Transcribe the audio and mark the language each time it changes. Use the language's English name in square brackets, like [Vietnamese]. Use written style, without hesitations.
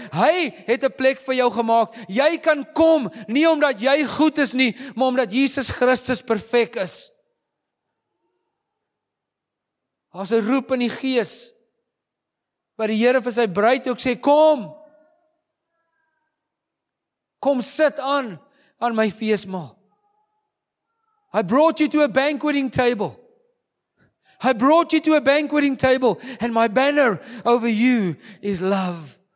[Afrikaans] Hy het 'n plek vir jou gemaak. Jy kan kom, nie omdat jy goed is nie, maar omdat Jesus Christus perfek is. Daar's 'n roep in die Gees, wat die Here vir sy bruid ook sê, kom. Kom sit aan my feestmaal. [English] I brought you to a banqueting table. I brought you to a banqueting table and my banner over you is love.